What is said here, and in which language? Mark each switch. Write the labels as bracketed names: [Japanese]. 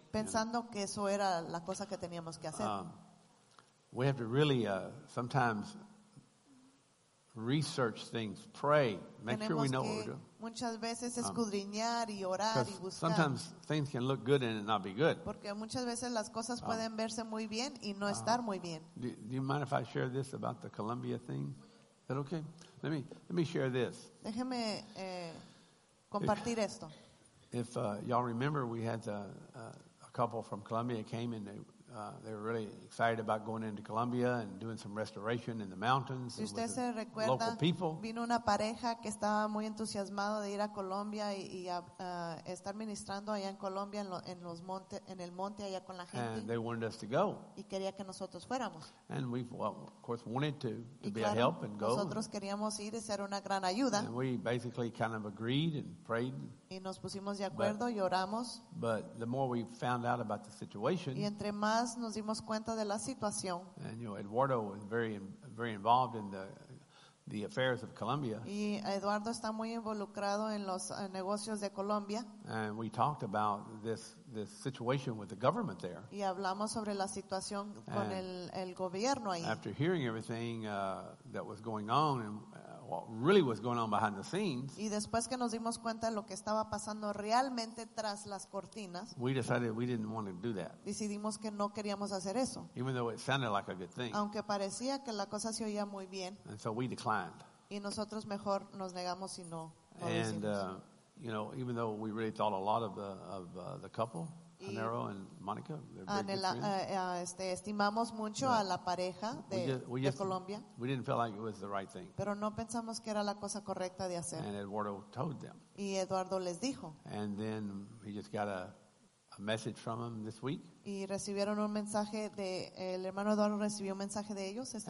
[Spanish] Pensando que eso era la cosa que teníamos que hacer. [English] We have to really sometimes research things, pray, make sure we know what we're doing. [Spanish] Muchas veces escudriñar y orar y buscar. [English] Sometimes things can look good and not be good. [Spanish] Porque muchas veces las cosas pueden verse muy bien y no estar muy bien. [English] Do you mind if I share this about the Columbia thing? Is that okay? Let me share this. [Spanish] Déjeme compartir esto. [English] If y'all remember, we had a couple from Columbia came and they were really excited about going into Colombia and doing some restoration in the mountains [Spanish] si [English] with the local people. [Spanish] Vino una pareja que estaba muy entusiasmado de ir a Colombia y estar ministrando allá en Colombia en el monte allá con la gente. [English] And they wanted us to go. [Spanish] Y quería que nosotros fuéramos. [English] And we, of course, wanted to [Spanish] y [English] be [Spanish] claro, [English] a help and go. [Spanish] Nosotros queríamos ir y ser una gran ayuda. [English] And we basically kind of agreed and prayed. [Spanish] Y nos pusimos de acuerdo y oramos. [English] But the more we found out about the situation, [Spanish] y entre más nos dimos cuenta de la situación. [English] And you know, Eduardo was very, very involved in the affairs of Colombia. [Spanish] Y Eduardo está muy involucrado en los negocios de Colombia. [English] And we talked about this situation with the government there. [Spanish] Y hablamos sobre la situación con el gobierno ahí. [English] After hearing everything that was going on and what really was going on behind the scenes. [Spanish] Y después que nos dimos cuenta de lo que estaba pasando realmente tras las cortinas. [English] We decided we didn't want to do that. [Spanish] Decidimos que no queríamos hacer eso. [English] Even though it sounded like a good thing. [Spanish] Aunque parecía que la cosa se oía muy bien. [English] And so we declined. [Spanish] Y nosotros mejor nos negamos y no. [English] And you know, even though we really thought a lot of the couple, Anero and Monica, they're very [Spanish] Estimamos mucho a la pareja de Colombia. [English] We didn't feel like it was the right thing. [Spanish] Pero no pensamos que era la cosa correcta de hacer. [English] And Eduardo told them. [Spanish] Y Eduardo les dijo. [English] And then he just got a message from them this week. [Spanish] Y recibieron un mensaje de el hermano Eduardo recibió un mensaje de ellos esta